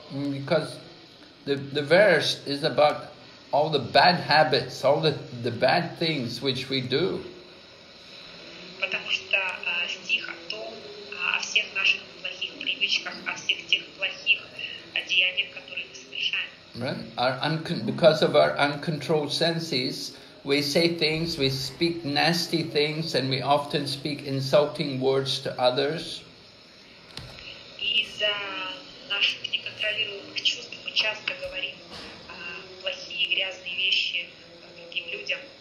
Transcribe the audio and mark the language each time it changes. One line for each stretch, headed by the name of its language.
English: Because the verse is about all the bad habits, all the bad things which we do.
Russian: Потому что стих о том, о всех наших плохих привычках, о всех тех плохих деяниях, которые мы совершаем.
English: Right? Because of our uncontrolled senses, we say things, we speak nasty things, and we often speak insulting words to others.
Russian: Из-за наших неконтролируемых чувств мы часто говорим плохие, грязные вещи другим людям.